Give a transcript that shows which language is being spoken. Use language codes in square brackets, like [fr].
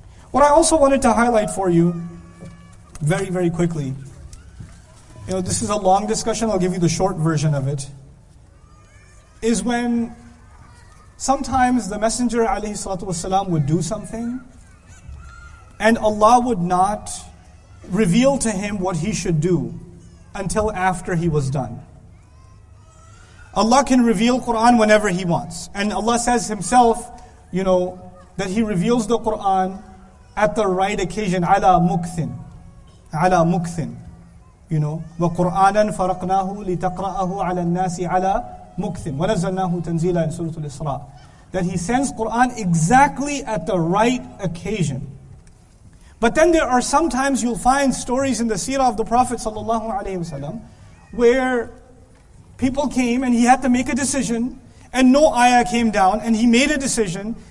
[en] What I also wanted to highlight for you, very, very quickly, you know, this is a long discussion, I'll give you the short version of it, is when sometimes the Messenger alayhi salatu wasalam would do something and Allah would not reveal to him what he should do until after he was done. Allah can reveal Quran whenever He wants. And Allah says Himself, you know, that He reveals the Quran at the right occasion. [ar] Ala mukthin. Ala mukthin. [en] You know, [ar] وَقُرْآنًا فَرَقْنَاهُ لِتَقْرَأَهُ عَلَى النَّاسِ عَلَى مُكْثٍ وَنَزَّلْنَاهُ تَنْزِيلًا [en] in Surah Al-Isra. That He sends Qur'an exactly at the right occasion. But then there are sometimes you'll find stories in the seerah of the Prophet ﷺ where people came and he had to make a decision, and no ayah came down, and he made a decision.